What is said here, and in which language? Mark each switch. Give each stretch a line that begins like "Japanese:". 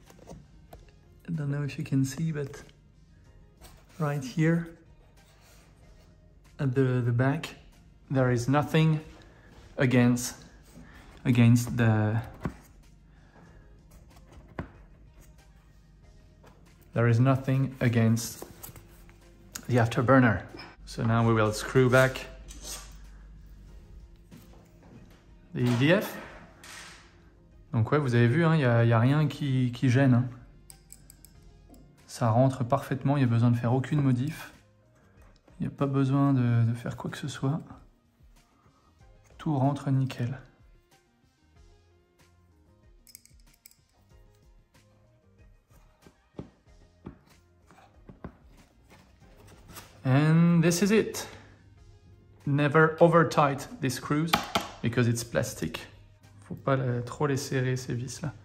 English: I don't know if you can see, but right here at the back, there is nothing against the afterburner. So now we will screw back the EDF.
French: Donc ouais, vous avez vu, hein, y a rien qui gêne. Hein. Ça rentre parfaitement, il n'y a besoin de faire aucune modif. Il n'y a pas besoin de faire quoi que ce soit. Tout rentre nickel.
English: And this is it. Never over-tight these screws, because it's plastic.
French: Faut pas trop les serrer ces vis là.